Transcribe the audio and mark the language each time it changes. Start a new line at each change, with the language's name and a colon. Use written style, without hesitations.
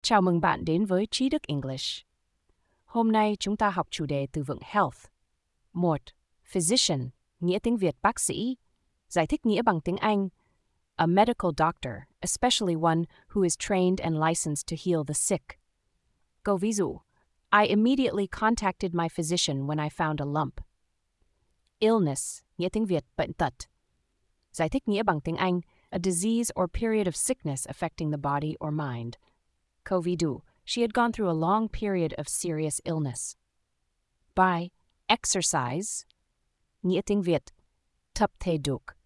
Vietnamese: Chào mừng bạn đến với Trí Đức English. Hôm nay chúng ta học chủ đề từ vựng health. Một, physician, nghĩa tiếng Việt bác sĩ. Giải thích nghĩa bằng tiếng Anh.
English: A medical doctor, especially one who is trained and licensed to heal the sick.
Vietnamese: Câu ví dụ.
English: I immediately contacted my physician when I found a lump.
Vietnamese: Illness, nghĩa tiếng Việt bệnh tật. Giải thích nghĩa bằng tiếng Anh.
English: A disease or period of sickness affecting the body or mind.
Vietnamese: Câu ví dụ,
English: she had gone through a long period of serious illness.
Vietnamese: By exercise, nghĩa tiếng Việt, tập thể dục.